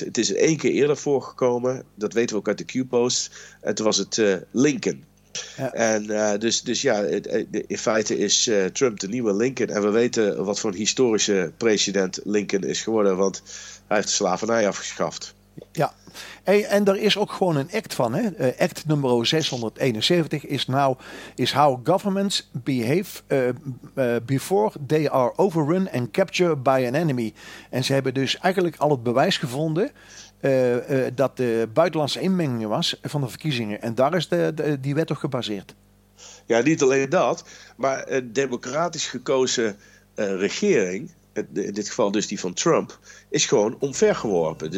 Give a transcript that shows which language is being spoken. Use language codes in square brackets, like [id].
[nl] Het is één keer eerder voorgekomen, dat weten we ook uit de Q-post. En toen was het Lincoln. Ja. In feite is Trump de nieuwe Lincoln. En we weten wat voor een historische president Lincoln is geworden. Want hij heeft de slavernij afgeschaft. Ja, en er is ook gewoon een act van. Hè? [en] Act nummer 671 is how governments behave before they are overrun and captured by an enemy. [nl] En ze hebben dus eigenlijk al het bewijs gevonden dat de buitenlandse inmenging was van de verkiezingen. En daar is die wet op gebaseerd. Ja, niet alleen dat, maar een democratisch gekozen regering, in dit geval dus die van Trump, is gewoon omvergeworpen.